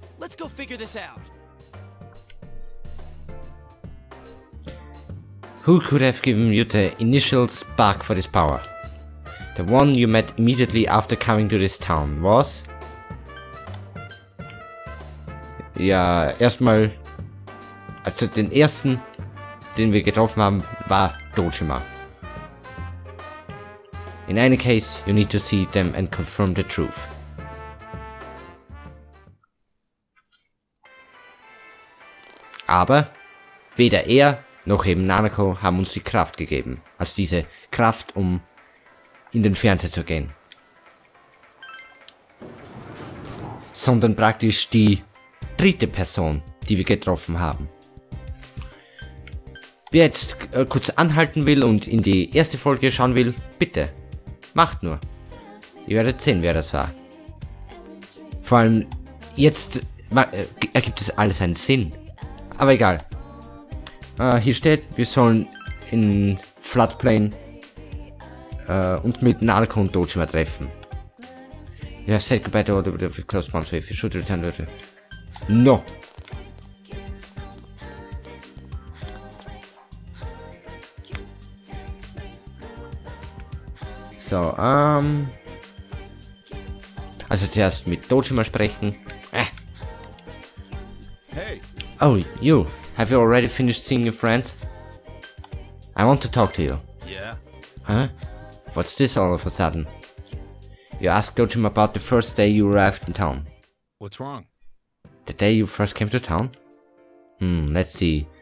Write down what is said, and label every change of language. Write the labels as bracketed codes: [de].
[en] Let's go figure this out. Who could have given you the initial spark for this power? The one you met immediately after coming to this town was... [de] Ja, erstmal... Also den ersten, den wir getroffen haben, war Dojima. [en] In any case, you need to see them and confirm the truth. [de] Aber weder er noch eben Nanako haben uns die Kraft gegeben. Also diese Kraft, um in den Fernseher zu gehen. Sondern praktisch die dritte Person, die wir getroffen haben. Wer jetzt kurz anhalten will und in die erste Folge schauen will, bitte, macht nur. Ihr werdet sehen, wer das war. Vor allem jetzt ergibt es alles einen Sinn. Aber egal. Hier steht, wir sollen in Floodplain uns mit Nanako und Dojima treffen. [en] You have said goodbye to all the close ones, so if you should return to the... No! [de] So, also zuerst mit Dojima sprechen. [en] Hey! Oh, you! Have you already finished seeing your friends? I want to talk to you. Yeah. Huh? What's this all of a sudden? You asked Dojima about the first day you arrived in town. What's wrong? The day you first came to town? Let's see.